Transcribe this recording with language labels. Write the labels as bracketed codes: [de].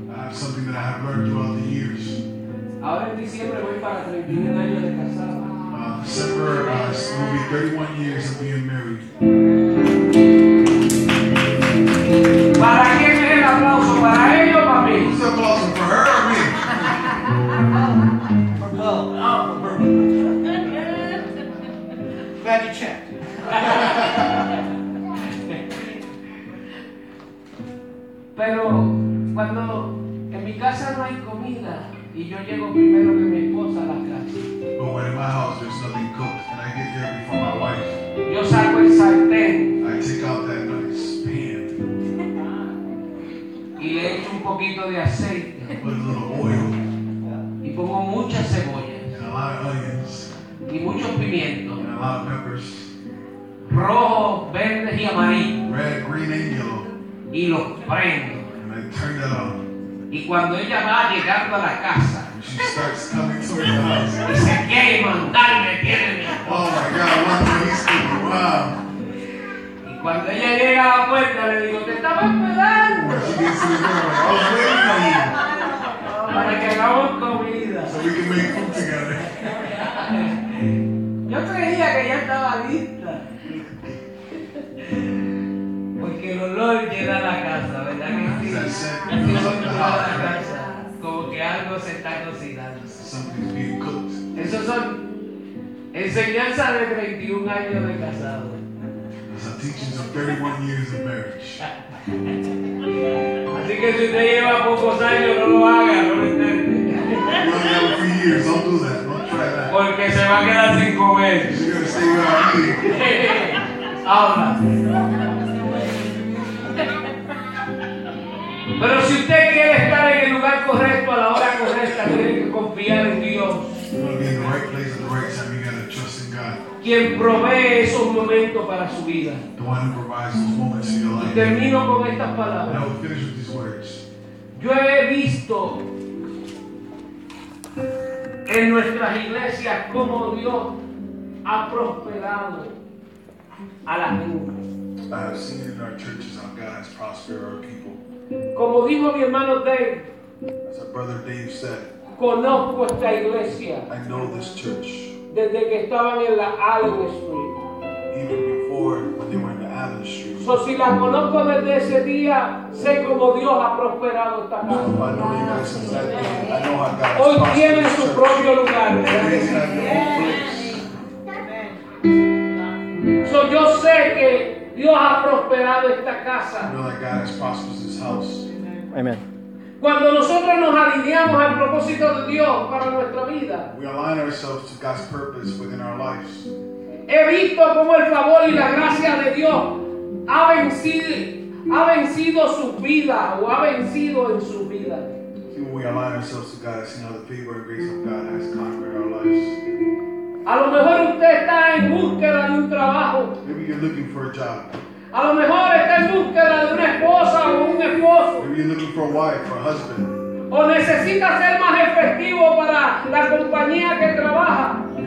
[en] I have something that I have learned throughout the years. [es] Ahora en diciembre voy para 31 años de casado. [en] December, will be 31 years of being married. [es] ¿Para quién es el aplauso? ¿Para ellos o para mí? [en] Who's the applause? For her or me? Glad you checked. [es] Pero cuando en mi casa no hay comida y yo llego primero que mi esposa a la casa. [en] But when in my house there's nothing cooked and I get there before my wife, [es] yo saco el sartén. [en] I take out that nice pan. [es] Y le echo un poquito de aceite. [en] Put a little oil. [es] Y pongo muchas cebollas. [en] And a lot of onions. [es] Y muchos pimientos. [en] And a lot of peppers. [es] Rojo, verde y amarillo. [en] Red, green, and yellow. [es] Y los prendo. [en] And I turn that on. [es] Y cuando ella va llegando a la casa, [en] she starts coming to the house. [es] Dice, ¿qué mandar me tiene mi esposo? [en] Oh my God, what are you saying? Wow. [es] Y cuando ella llega a la puerta, le digo, te estaba esperando. [en] When she gets to the door, I was waiting for you. [es] Para que hagamos comida. [en] So we can make food together. [es] Yo creía que ya estaba lista. Porque el olor llena la casa, ¿verdad que sí? Como que algo se está cocinando. Eso son enseñanzas de 31 años de casado. [en] Those are teachings of 31 years of marriage. [es] Así que si usted lleva pocos años, no lo haga, no lo entiende. [en] You only have a few years, don't do that, don't try that. [es] Porque se va a quedar sin comer. [en] You're going to stay out here. [es] Pero si usted quiere estar en el lugar correcto a la hora correcta, tiene que confiar en Dios. [en] You want to be in the right place at the right time, you got to trust in God. [es] Quien provee esos momentos para su vida. [en] The one who provides those moments in your life. [es] Y termino con estas palabras. [en] Now we'll finish with these words. [es] Yo he visto en nuestras iglesias cómo Dios ha prosperado a las mujeres. [en] I have seen in our churches how God has prospered our people. [es] Como dijo mi hermano Dave, [en] as our brother Dave said, [es] conozco esta iglesia. [en] I know this church. [es] Desde que estaban en la Allen Street. [en] Even before when they were in the Allen Street. [es] So si la conozco desde ese día, sé cómo Dios ha prosperado esta casa. [en] I know how God's prospered. [es] Hoy tiene su propio lugar. So yo sé que Dios ha prosperado esta casa. [en] I know that God has prospered this house. Amen. [es] Cuando nosotros nos alineamos al propósito de Dios para nuestra vida, [en] we align ourselves to God's purpose within our lives. [es] He visto cómo el favor y la gracia de Dios ha vencido su vida o ha vencido en su vida. [en] See, when we align ourselves to God, see how the favor and grace of God has conquered our lives. [es] A lo mejor usted está en búsqueda de un trabajo. [en] Maybe you're looking for a job. [es] A lo mejor está en búsqueda de una esposa o un esposo. [en] Maybe you're looking for a wife or a husband. [es] O necesita ser más efectivo para la compañía que trabaja.